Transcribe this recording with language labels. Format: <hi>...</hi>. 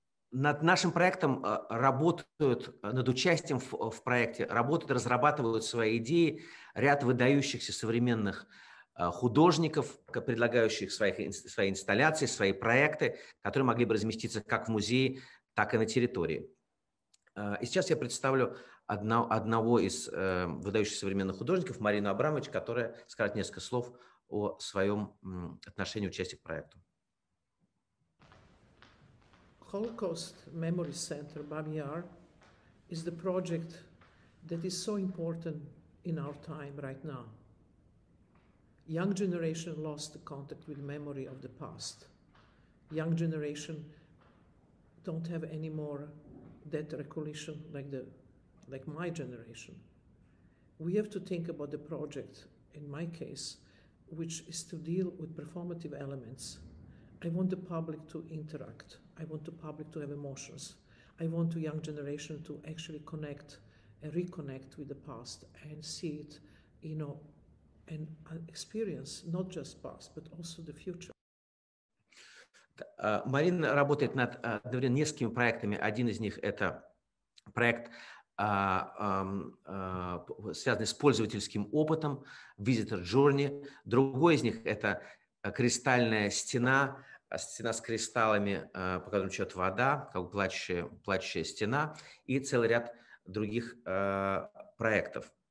<ru>Над нашим проектом работают, над участием в проекте работают, разрабатывают свои идеи ряд выдающихся современных художников, предлагающих свои инсталляции, свои проекты, которые могли бы разместиться как в музее, так и на территории. И сейчас я представлю одного из выдающихся современных художников, Марину Абрамович, которая скажет несколько слов о своем отношении, участии к проекту.</ru> <en>Holocaust Memory Center Babyn Yar is the project that is so important in our time right now. Young generation lost the contact with memory of the past. Young generation don't have any more that recollection like my generation. We have to think about the project, in my case, which is to deal with performative elements. I want the public to interact. I want the public to have emotions. I want the young generation to actually connect and reconnect with the past and see it, you know, and experience not just past, but also the future.</en> <ru>Марина работает над несколькими проектами. Один из них – это проект, связанный с пользовательским опытом, Visitor Journey. Другой из них – это кристальная стена, стена с кристаллами, по которым течет вода, как плачущая стена, и целый ряд других проектов.</ru>